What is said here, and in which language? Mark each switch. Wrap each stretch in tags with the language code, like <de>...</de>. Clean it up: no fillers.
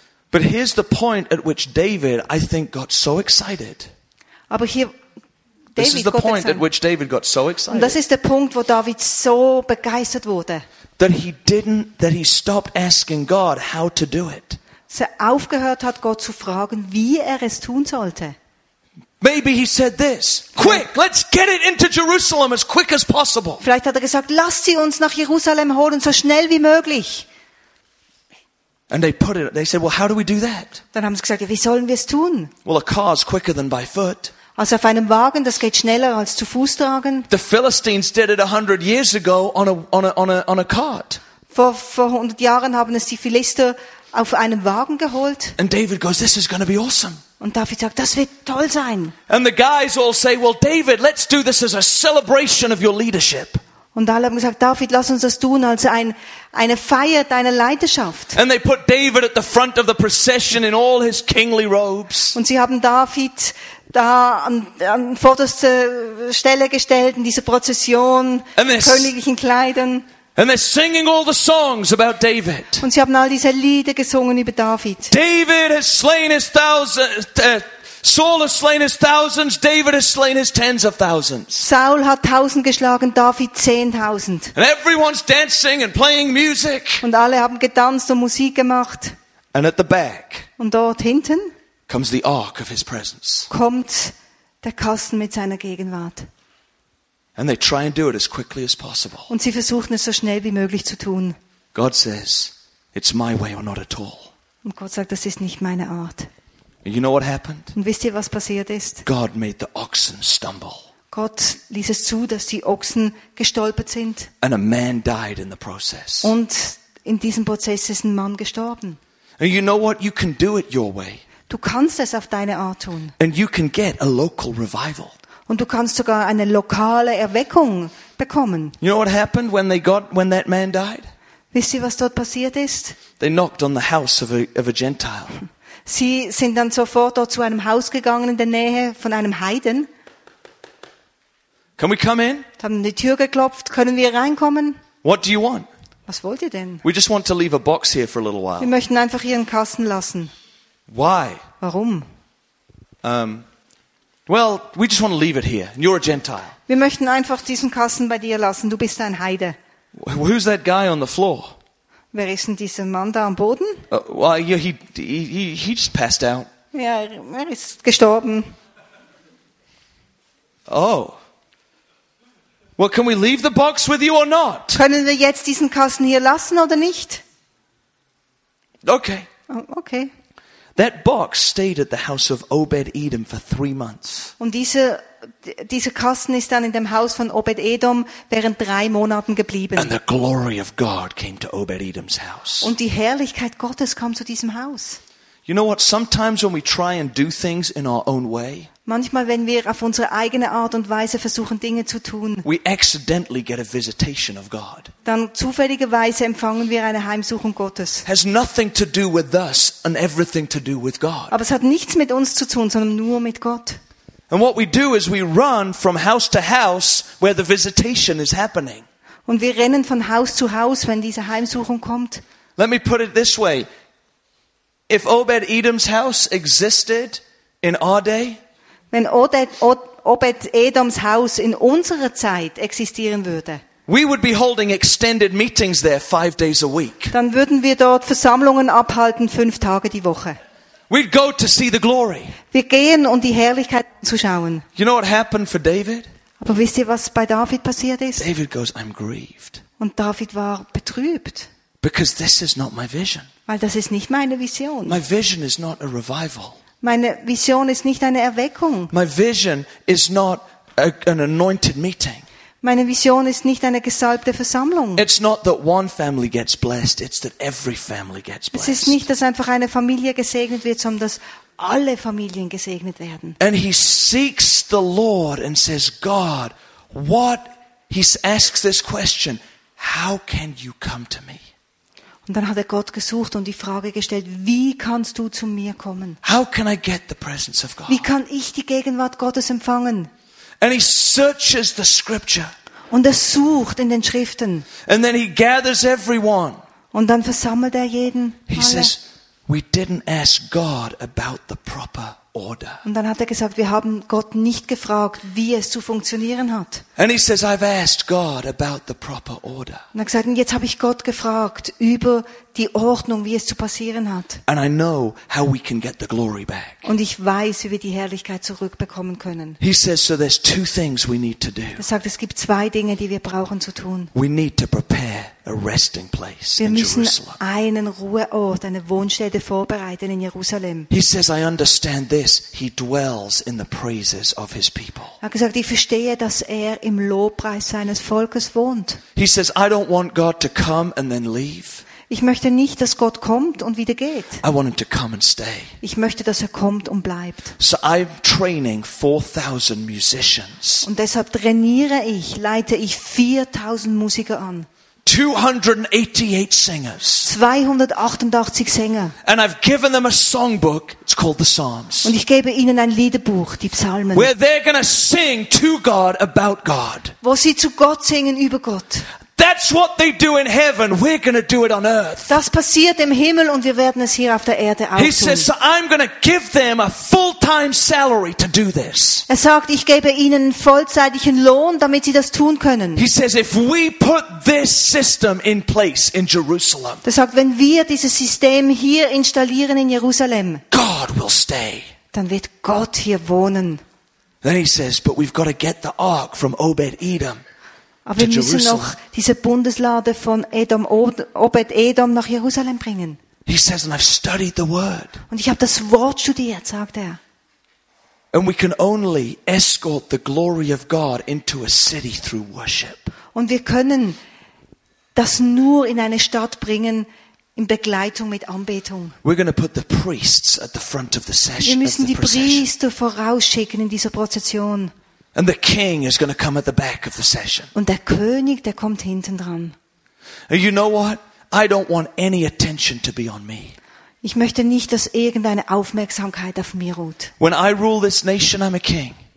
<en>But here's the point at which David, I think, got so excited.</en> <de>Aber hier</de> <en>This is the point at which David got so excited.</en> <de>Und das ist der Punkt, wo David so begeistert wurde.</de> <en>That he stopped asking God how to do it.</en> <de>Dass er aufgehört hat, Gott zu fragen, wie er es tun sollte.</de> <en>Maybe he said this. Quick, let's get it into Jerusalem as quick as possible.</en> <de>Vielleicht hat er gesagt, lasst sie uns nach Jerusalem holen so schnell wie möglich.</de> <en>And they put it. They said, "Well, how do we do that?"</en> <de>Dann haben sie gesagt, ja, wie sollen wir es tun?</de> <en>Well, a car is quicker than by foot.</en> <de>Also auf einem Wagen, das geht schneller als zu Fuß tragen.</de> <en>The Philistines did it 100 years ago on a cart.</en> <de>Vor 100 Jahren haben es die Philister auf einem Wagen geholt.</de> <en>And David goes, "This is going to be awesome."</en> <de>Und David sagt, das wird toll sein.</de> <en>And the guys all say, "Well, David, let's do this as a celebration of your leadership."</en> <de>Und alle haben gesagt, David, lass uns das tun als eine Feier deiner Leidenschaft.</de> <en>And they put David at the front of the procession in all his kingly robes.</en> <de>Und sie haben David da an vorderste Stelle gestellt in dieser Prozession in königlichen Kleidern.</de> <en>And they're singing all the songs about David.</en> <de>Und sie haben all diese Lieder gesungen über David.</de> <en>David has slain his thousand, Saul has slain his thousands, David has slain his tens of thousands.</en> <de>Saul hat 1000 geschlagen, David 10.000.</de> <en>And everyone's dancing and playing music.</en> <de>Und alle haben getanzt und Musik gemacht.</de> <en>And at the back.</en> <de>Und dort hinten</de> <en>comes the ark of his presence.</en> <de>Kommt der Kasten mit seiner Gegenwart.</de> <en>And they try and do it as quickly as possible.</en> <de>Und sie versuchen es so schnell wie möglich zu tun.</de> <en>God says, it's my way or not at all.</en> <de>Und Gott sagt, das ist nicht meine Art.</de> <en>And you know what happened?</en> <de>Und wisst ihr, was passiert ist?</de> <en>God made the oxen stumble.</en> <de>Gott ließ es zu, dass die Ochsen gestolpert sind.</de> <en>And a man died in the process.</en> <de>Und in diesem Prozess ist ein Mann gestorben.</de> <en>And you know what? You can do it your way.</en> <de>Du kannst es auf deine Art tun.</de> <en>And you can get a local revival.</en> <de>Und du kannst sogar eine lokale Erweckung bekommen.</de> <en>You know what happened when they got when that man died?</en> <de>Wisst ihr, was dort passiert ist?</de> <en>They knocked on the house of a Gentile.</en> <de>Sie sind dann sofort dort zu einem Haus gegangen in der Nähe von einem Heiden.</de> <en>Can we come in?</en> <de>Haben die Tür geklopft. Können wir reinkommen?</de> <en>What do you want?</en> <de>Was wollt ihr denn?</de> <en>We just want to leave a box here for a little while.</en> <de>Wir möchten einfach hier einen Kasten lassen.</de> <en>Why?</en> <de>Warum?</de> <en>Well, we just want to leave it here. And you're a Gentile.</en> <de>Wir möchten einfach diesen Kasten bei dir lassen. Du bist ein Heide.</de> <en>Who's that guy on the floor?</en> <de>Wer ist denn dieser Mann da am Boden?</de> <en>He just passed out.</en> <de>Ja, er ist gestorben.</de> <en>Oh. Well, can we leave the box with you or not?</en> <de>Können wir jetzt diesen Kasten hier lassen oder nicht?</de> <en>Okay.</en> <de>Okay.</de> <en>That box stayed at the house of Obed-Edom for 3 months.</en> <de>Und dieser Kasten ist dann in dem Haus von Obed-Edom während 3 Monaten geblieben.</de> <en>And the glory of God came to Obed-Edom's house.</en> <de>Und die Herrlichkeit Gottes kam zu diesem Haus.</de> <en>You know what? Sometimes when we try and do things in our own way,</en> <de>manchmal wenn wir auf unsere eigene Art und Weise versuchen Dinge zu tun,</de> <en>we accidentally get a visitation of God.</en> <de>Dann zufälligerweise empfangen wir eine Heimsuchung Gottes.</de> <en>Has nothing to do with us and everything to do with God.</en> <de>Aber es hat nichts mit uns zu tun, sondern nur mit Gott.</de> <en>And what we do is we run from house to house where the visitation is happening.</en> <de>Und wir rennen von Haus zu Haus, wenn diese Heimsuchung kommt.</de> <en>Let me put it this way. If Obed-Edom's house existed in our day,</en> <de>wenn Obed-Edoms Haus in unserer Zeit existieren würde,</de> <en>we would be holding extended meetings there 5 days a week.</en> <de>Dann würden wir dort Versammlungen abhalten 5 Tage die Woche.</de> <en>We'd go to see the glory.</en> <de>Wir gehen, um die Herrlichkeit zu schauen.</de> <en>You know what happened for David?</en> <de>Aber wisst ihr, was bei David passiert ist?</de> <en>David goes, I'm grieved.</en> <de>Und David war betrübt.</de> <en>Because this is not my vision.</en> <de>Weil das ist nicht meine Vision.</de> <en>My vision is not a revival.</en> <de>Meine Vision ist nicht eine Erweckung.</de> <en>My vision is not an anointed meeting.</en> <de>Meine Vision ist nicht eine gesalbte Versammlung.</de> <en>It's not that one family gets blessed, it's that every family gets blessed.</en> <de>Es ist nicht, dass einfach eine Familie gesegnet wird, sondern dass alle Familien gesegnet werden.</de> <en>And he seeks the Lord and says, God, what? He asks this question, how can you come to me?</en> <de>Und dann hat er Gott gesucht und die Frage gestellt, wie kannst du zu mir kommen?</de> <en>How can I get the presence of God?</en> <de>Wie kann ich die Gegenwart Gottes empfangen?</de> <en>And he searches the scripture.</en> <de>Und er sucht in den Schriften.</de> <en>And then he gathers everyone.</en> <de>Und dann versammelt er jeden.</de> <en>He says, we didn't ask God about the proper order.</en> <de>Und dann hat er gesagt, wir haben Gott nicht gefragt, wie es zu funktionieren hat.</de> <en>And he says, I've asked God about the proper order.</en> <de>Und er hat gesagt, jetzt habe ich Gott gefragt über die Ordnung, wie es zu passieren hat.</de> <en>And I know how we can get the glory back.</en> <de>Und ich weiß, wie wir die Herrlichkeit zurückbekommen können.</de> <en>He says, so there's 2 things we need to do.</en> <de>Er sagt, es gibt 2 Dinge, die wir brauchen zu tun.</de> <en>We need to prepare a resting place</en> <de>wir</de> <en>in Jerusalem.</en> <de>Wir müssen einen Ruheort, eine Wohnstätte vorbereiten in Jerusalem.</de> <en>He says, I understand this. He dwells in the praises of his people.</en> <de>Er hat gesagt, ich verstehe, dass er im Lobpreis seines Volkes wohnt.</de> <en>He says, I don't want God to come and then leave.</en> <de>Ich möchte nicht, dass Gott kommt und wieder geht.</de> <en>I want him to come and stay.</en> <de>Ich möchte, dass er kommt und bleibt.</de> <en>So I'm training 4,000 musicians.</en> <de>Und deshalb trainiere ich, leite ich 4,000 Musiker an.</de> <en>288 singers.</en> <de>288 Sänger.</de> <en>And I've given them a songbook. It's called the Psalms.</en> <de>Und ich gebe ihnen ein Liederbuch, die Psalmen.</de> <en>Where they're gonna sing to God about God.</en> <de>Wo sie zu Gott singen über Gott.</de> <en>That's what they do in heaven. We're going to do it on earth.</en> <de>Das passiert im Himmel und wir werden es hier auf der Erde auch tun.</de> <en>He says, so I'm going to give them a full-time salary to do this.</en> <de>Er sagt, ich gebe ihnen vollzeitigen Lohn, damit sie das tun können.</de> <en>He says, if we put this system in place in Jerusalem.</en> <de>Er sagt, wenn wir dieses System hier installieren in Jerusalem.</de> <en>God will stay.</en> <de>Dann wird Gott hier wohnen.</de> <en>Then he says, but we've got to get the ark from Obed-Edom.</en> <de>Aber wir müssen noch diese Bundeslade von Edom, Obed-Edom nach Jerusalem bringen.</de> <en>He says, and I've studied the word.</en> <de>Und ich habe das Wort studiert, sagt er.</de> <en>And we can only escort the glory of God into a city through worship.</en> <de>Und wir können das nur in eine Stadt bringen in Begleitung mit Anbetung.</de> <en>We're going to put the priests at the front of the session.</en> <de>Wir müssen die Priester vorausschicken in dieser Prozession.</de> <en>And the king is going to come at the back of the session.</en> <de>Und der König, der kommt hinten dran.</de> <en>You know what? I don't want any attention to be on me.</en> <de>Ich möchte nicht, dass irgendeine Aufmerksamkeit auf mir ruht.</de> <en>When I rule this nation, I'm a king.</en>